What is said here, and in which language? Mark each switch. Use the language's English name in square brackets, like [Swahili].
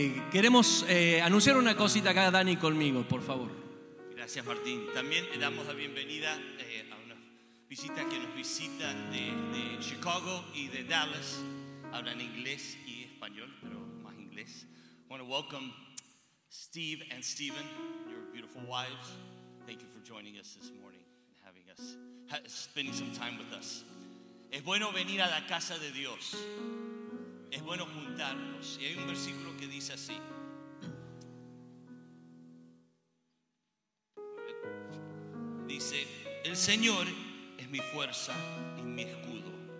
[Spanish] Queremos anunciar una cosita acá, Dani, conmigo, por favor. Gracias, Martín. También le damos la bienvenida a una visita que nos visita de Chicago y de Dallas. Hablan inglés y español, pero más inglés. [English] Bueno, welcome Steve and Steven, your beautiful wives. Thank you for joining us this morning and having us, spending some time with us. [Spanish] Es bueno venir a la casa de Dios. Es bueno juntarnos. Y hay un versículo que dice así. Dice: el Señor es mi fuerza y mi escudo.